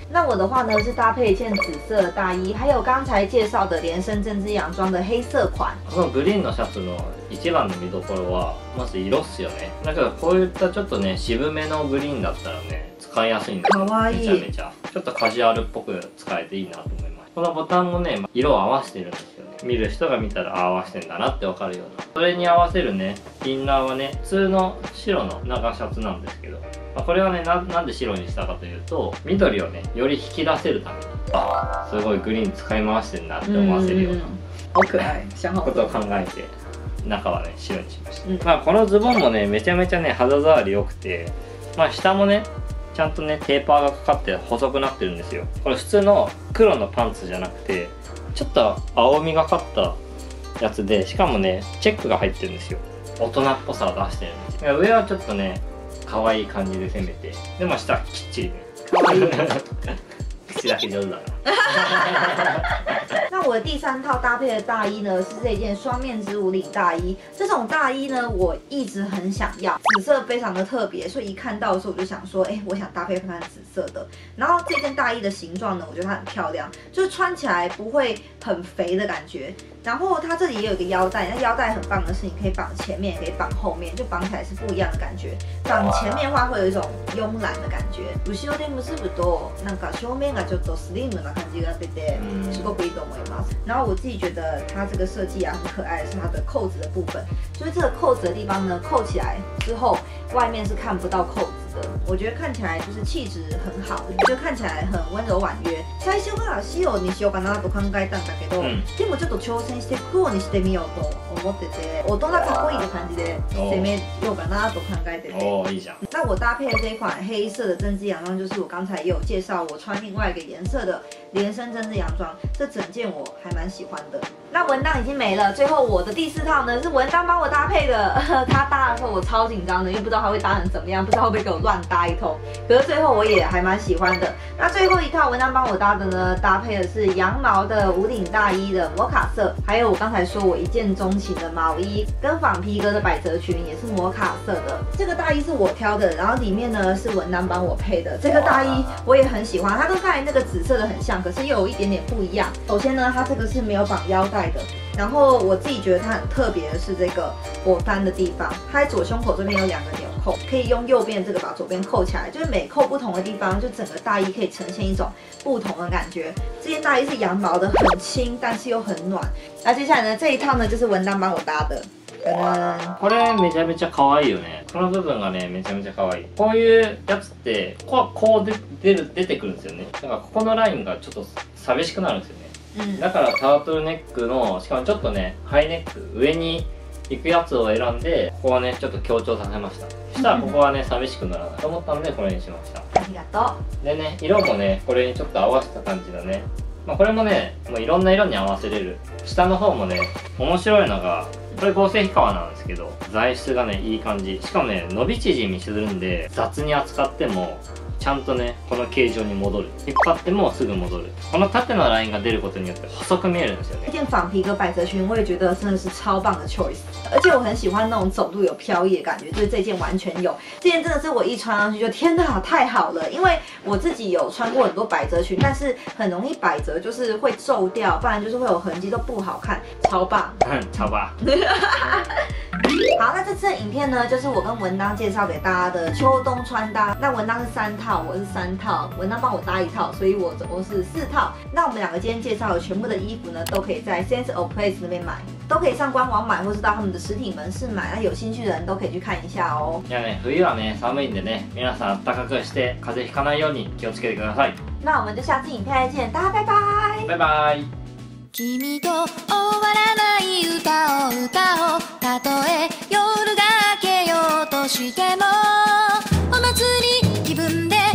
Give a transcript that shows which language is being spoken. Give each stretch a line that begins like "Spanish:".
Chinese: 那我的话呢是搭配一件紫色的大衣，还有刚才介绍的连身针织洋装的黑色款。
Japanese: そのグリーンのシャツの一番の見どころはまず色っすよね。だからこういったちょっとね渋めのグリーンだったらね使いやすいんですよ。可愛い。めちゃめちゃちょっとカジュアルっぽく使えていいなと思います。このボタンもね、色を合わせてるんですよね。見る人が見たら合わせてんだなってわかるような。それに合わせるね、インナーはね、普通の白の長シャツなんですけど、まあ、これはね、なんで白にしたかというと、緑をね、より引き出せるために、あ、すごいグリーン使い回してんなって思わせるような、はい、ことを考えて、中はね、白にしました。うん、まあ、このズボンもね、めちゃめちゃね、肌触り良くて、まあ、下もね、ちゃんとね、テーパーがかかって細くなってるんですよ。これ普通の黒のパンツじゃなくて、ちょっと青みがかったやつで、しかもね、チェックが入ってるんですよ。大人っぽさを出してるんですよ。上はちょっとね、可愛い感じで攻めて、でも下はきっちりね。口だけ上手だな。
Chinese: 那我的第三套搭配的大衣呢，是这件双面织无领大衣。这种大衣呢，我一直很想要，紫色非常的特别，所以一看到的时候我就想说，哎，我想搭配看紫色的。然后这件大衣的形状呢，我觉得它很漂亮，就是穿起来不会很肥的感觉。然后它这里也有一个腰带，那腰带很棒的是，你可以绑前面，也可以绑后面，就绑起来是不一样的感觉。绑前面的话会有一种慵懒的感觉。
Japanese: 後ろで結ぶとなんか正面がちょっとスリムな感じが出て、すごくいいと思います。
Chinese: 然后我自己觉得它这个设计啊很可爱，是它的扣子的部分，就是这个扣子的地方呢，扣起来之后外面是看不到扣子的，我觉得看起来就是气质很好，就看起来很温柔婉约。
Japanese: 最初は白にしようかなと考えたんだけど、でもちょっと挑戦して黒にしてみようと思ってて、大人かっこいいって感じで攻めようかなと考えてて。哦，いいじゃん。
Chinese: 那我搭配的这款黑色的针织洋装，就是我刚才也有介绍，我穿另外一个颜色的连身针织洋装，这整件我还蛮喜欢的。那文档已经没了，最后我的第四套呢是文档帮我搭配的。他搭的时候我超紧张的，因为不知道他会搭成怎么样，不知道会不会给我乱搭一通。可是最后我也还蛮喜欢的。那最后一套文档帮我搭的呢，搭配的是羊毛的无领大衣的摩卡色，还有我刚才说我一见钟情的毛衣跟仿皮革的百褶裙也是摩卡色的。这个大衣是我挑的，然后里面呢是文档帮我配的。这个大衣我也很喜欢，它跟刚才那个紫色的很像，可是又有一点点不一样。首先呢，它这个是没有绑腰带。然后我自己觉得它很特别的是这个脖翻的地方，它在左胸口这边有两个纽扣，可以用右边这个把左边扣起来，就是每扣不同的地方，就整个大衣可以呈现一种不同的感觉。这件大衣是羊毛的，很轻，但是又很暖。那接下来呢，这一套呢就是文丹帮我搭的。
Japanese: これめちゃめちゃ可愛いよね。この部分がねめちゃめちゃ可愛い。こういうやつってこう出てくるんですよね。だからここのラインがちょっと寂しくなるんですよね。だからタートルネックの、しかもちょっとね、ハイネック、上に行くやつを選んで、ここはね、ちょっと強調させました。そしたらここはね、寂しくならないと思ったので、これにしました。ありがとう。でね、色もね、これにちょっと合わせた感じだね。まあこれもね、もういろんな色に合わせれる。下の方もね、面白いのが、これ合成皮革なんですけど、材質がね、いい感じ。しかもね、伸び縮みするんで、雑に扱っても、ちゃんとね、この形状に戻る。引っ張ってもすぐ戻る。この縦のラインが出ることによって細く見えるんですよね。
Chinese: 这件仿皮革百褶裙，我也觉得真的是超棒的 choice。而且我很喜欢那种走路有飘逸的感觉，就是这件完全有。这件真的是我一穿上去就天哪，太好了！因为我自己有穿过很多百褶裙，但是很容易百褶，就是会皱掉，不然就是会有痕迹，都不好看。超棒，超棒。好，那这次的影片呢，就是我跟文当介绍给大家的秋冬穿搭。那文当是三套，我是三套，文当帮我搭一套，所以我总共是四套。那我们两个今天介绍的全部的衣服呢，都可以在 Sense of Place 那边买，都可以上官网买，或是到他们的实体门市买。那有兴趣的人都可以去看一下哦。
Japanese: いやね、冬はね、寒いんでね、皆さん暖かくして風邪ひかないように気をつけてください。
Chinese: 那我们就下次影片再见，大家拜拜。拜拜。
Japanese: 君と終わらない歌を歌おう。たとえ夜が明けようとしても、お祭り気分で。